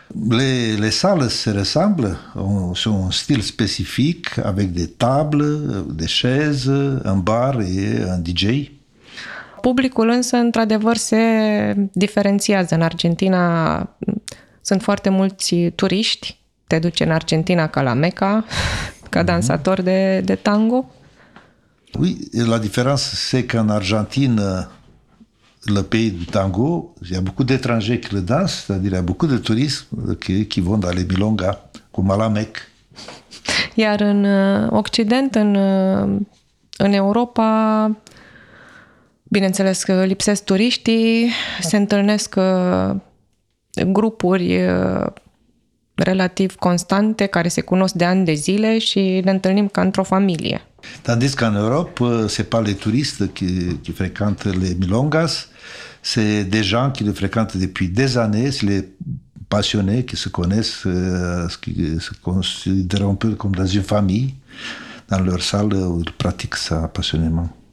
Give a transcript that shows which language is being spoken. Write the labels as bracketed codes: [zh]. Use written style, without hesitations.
[fr] Les salles se ressemblent, sont un style spécifique avec des tables, des chaises, un bar et un DJ. [ro] Publicul însă într-adevăr se diferențiază. În Argentina sunt foarte mulți turiști. Te duci în Argentina ca la Meca, ca dansator de tango. [fr] Oui, la différence c'est qu'en Argentine, le pays du tango, il y a beaucoup d'étrangers qui le dansent, c'est-à-dire il y a beaucoup de touristes qui vont dans les milongas, comme à la Meca. [ro] Iar în Occident, în Europa, bineînțeles că lipsesc turiștii, se întâlnesc grupuri relativ constante care se cunosc de ani de zile și ne întâlnim ca într-o familie. [fr] Tandis qu'en Europe, c'est pas les touristes qui fréquentent les milongas, c'est des gens qui le fréquentent depuis des années, c'est les passionnés qui se connaissent, qui se considèrent un peu comme dans une famille, dans leur salle où ils pratiquent ça passionnément.